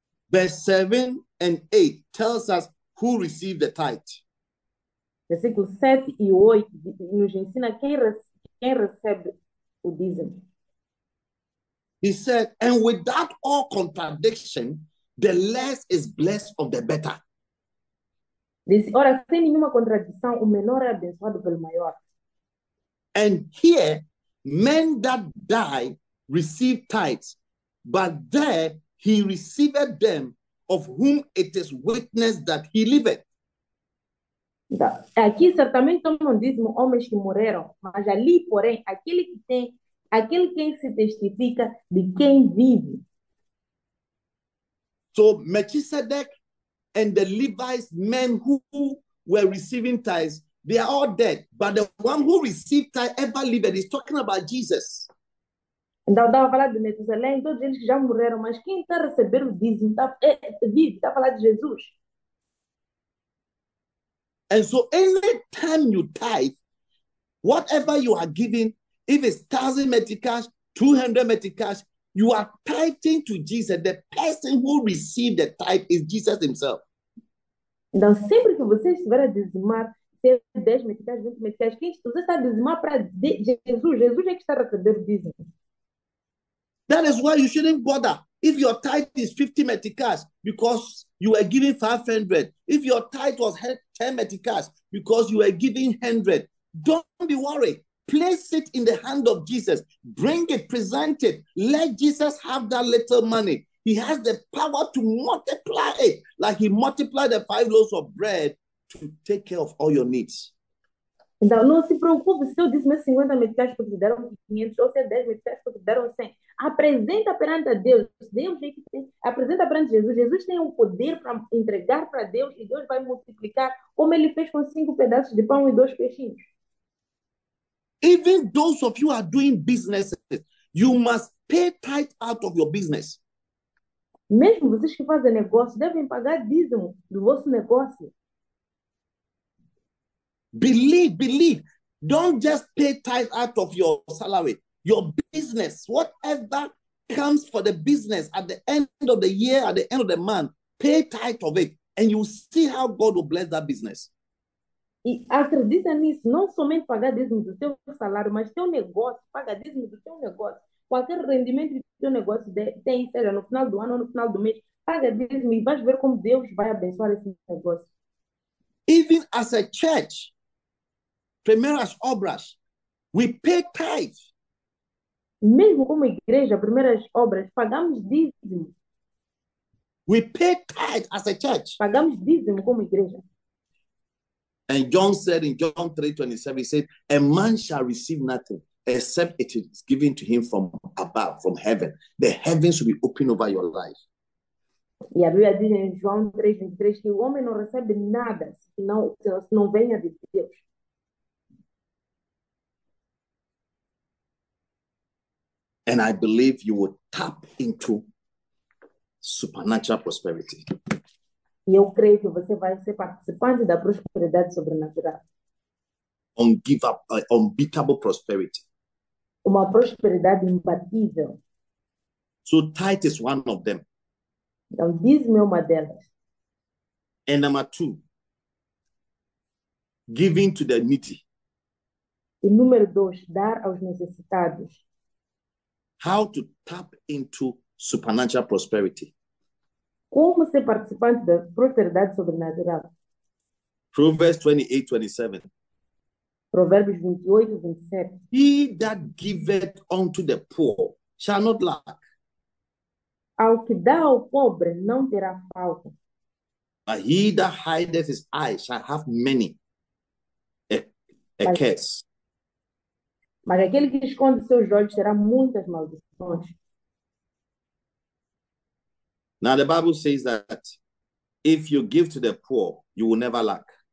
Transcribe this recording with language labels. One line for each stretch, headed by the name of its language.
English: verse 7 and 8 tells us who received the tithe.
Portuguese: Versículo 7 e 8 nos ensina quem recebe o dízimo.
English: He said, and without all contradiction, the less is blessed of the better.
Portuguese: Diz, ora, sem nenhuma contradição, o menor é abençoado pelo maior.
English: And here, men that die receive tithes, but there he received them of whom it is witnessed that he liveth.
Portuguese: Aqui certamente tomam dízimo homens que morreram, mas ali, porém, aquele quem se testifica de quem vive.
English: So Melchizedek and the Levites, men who were receiving tithes, they are all dead. But the one who received tithes ever lived, and he's talking about Jesus.
Portuguese: Então, estava a falar de Metusalém, todos eles que já morreram, mas quem está a receber o dízimo vive, está a falar de Jesus.
English: And so any time you tithe, whatever you are giving, if it's 1,000 metri cash, 200 metri cash, you are tithing to Jesus. The person who received the tithe is Jesus himself.
Portuguese: Então, sempre que você estiver a dizimar, se é 10 metros, 20 metros, você está a dizimar para Jesus é que está a receber o dízimo.
English: That is why you shouldn't bother. If your tithe is 50 metri cash because you were giving 500, if your tithe was 10 metri cash because you were giving 100, don't be worried. Place it in the hand of Jesus. Bring it, present it. Let Jesus have that little money. He has the power to multiply it, like he multiplied the 5 loaves of bread to take care of all your needs.
Portuguese: Então, não se preocupe se eu disse meus 50 meticais porque deram 500, ou se é 10 meticais porque deram 100. Apresenta perante a Deus. Deus é que tem. Apresenta perante Jesus. Jesus tem o poder para entregar para Deus e Deus vai multiplicar, como ele fez com 5 pedaços de pão e 2 peixinhos.
English: Even those of you who are doing businesses, you must pay tithe out of your business.
Portuguese: Mesmo vocês que fazem negócio, devem pagar dízimo do vosso negócio.
English: Believe. Don't just pay tithe out of your salary. Your business, whatever comes for the business at the end of the year, at the end of the month, pay tithe of it, and you'll see how God will bless that business.
Portuguese: E acredita nisso, não somente pagar dízimo do teu salário, mas teu negócio, pagar dízimo do teu negócio. Qualquer rendimento que teu negócio tem, seja no final do ano ou no final do mês, paga dízimo e vais ver como Deus vai abençoar esse negócio.
English: Even as a church, primeiras obras, we pay tithe.
Portuguese: Mesmo como igreja, primeiras obras, pagamos dízimo.
English: We pay tithe as a church.
Portuguese: Pagamos dízimo como igreja.
English: And John said in John 3:27, he said, a man shall receive nothing except it is given to him from above, from heaven. The heavens will be open over your life.
Portuguese: E a Bíblia diz em João 3:23 que o homem não recebe nada se não venha de Deus.
English: And I believe you will tap into supernatural prosperity.
Portuguese: E eu creio que você vai ser participante da prosperidade sobrenatural.
English: Unbeatable prosperity.
Portuguese: Uma prosperidade imbatível.
English: So tithe is one of them.
Portuguese: Então, diz-me uma delas.
English: And number two, giving to the needy.
Portuguese: E número 2, dar aos necessitados.
English: How to tap into supernatural prosperity?
Portuguese: Como ser participante da prosperidade sobrenatural?
English: Proverbs 28:27.
Portuguese: Provérbios 28, 27.
English: He that giveth unto the poor shall not lack.
Portuguese: Ao que dá ao pobre, não terá falta.
English: But he that hideth his eyes shall have many a curse.
Portuguese: Mas aquele que esconde seus olhos terá muitas maldições.
English: Now the Bible says that if you give to the poor, you will never lack.